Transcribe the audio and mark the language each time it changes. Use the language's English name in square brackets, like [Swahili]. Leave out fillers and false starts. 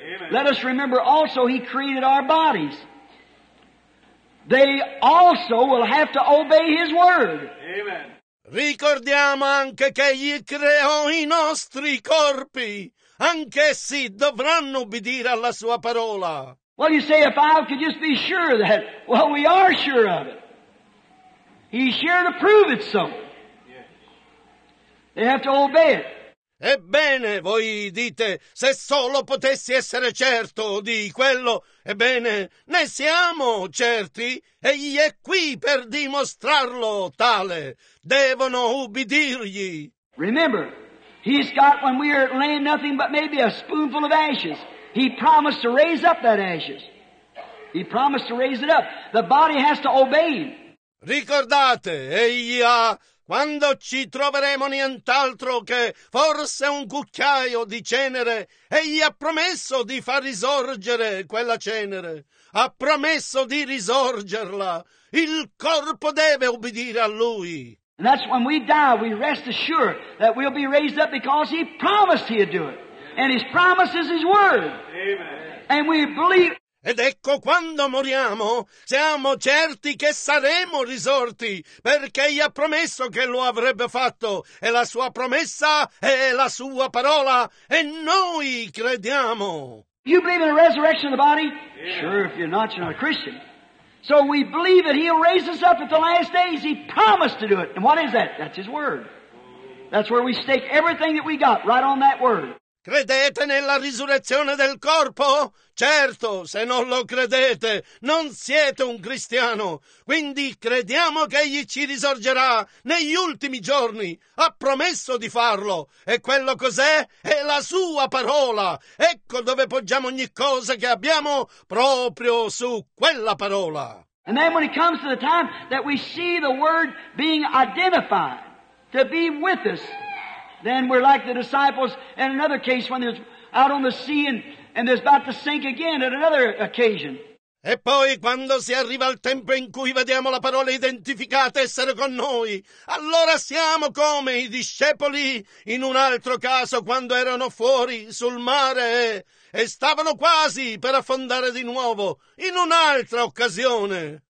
[English] Let us remember also he created our bodies. They also will have to obey his word. Amen. [Italian] Ricordiamo anche che egli creò i nostri corpi. Anch'essi dovranno ubbidire alla sua parola. [English] Well, you say, if I could just be sure of that. Well, we are sure of it. He's sure to prove it so. They have to obey it. [Italian] Ebbene, voi dite, se solo potessi essere certo di quello, ebbene, ne siamo certi, egli è qui per dimostrarlo tale. Devono ubbidirgli. [English] Remember, he's got when we are laying nothing but maybe a spoonful of ashes. He promised to raise up that ashes. He promised to raise it up. The body has to obey him. [Italian] Ricordate, egli ha... Quando ci troveremo nient'altro che forse un cucchiaio di cenere, egli ha promesso di far risorgere quella cenere. Ha promesso di risorgerla. Il corpo deve ubbidire a lui. [English] And that's when we die, we rest assured that we'll be raised up because he promised he'd do it. And his promise is his word. Amen. And we believe. [Italian] Ed ecco quando moriamo, siamo certi che saremo risorti, perché gli ha promesso che lo avrebbe fatto, e la sua promessa è la sua parola, e noi crediamo. [English] You believe in the resurrection of the body? Sure, if you're not, you're not a Christian. So we believe that he'll raise us up at the last days. He promised to do it. And what is that? That's his word. That's where we stake everything that we got, right on that word. [Italian] Credete nella risurrezione del corpo? Certo, se non lo credete, non siete un cristiano. Quindi crediamo che egli ci risorgerà negli ultimi giorni. Ha promesso di farlo. E quello cos'è? È la sua parola. Ecco dove poggiamo ogni cosa che abbiamo, proprio su quella parola. [English] And then when it comes to the time that we see the word being identified to be with us, then we're like the disciples in another case when they're out on the sea and they're about to sink again at another occasion. [Italian] E poi quando si arriva al tempo in cui vediamo la parola identificata essere con noi, allora siamo come i discepoli in un altro caso quando erano fuori sul mare e stavano quasi per affondare di nuovo in un'altra occasione.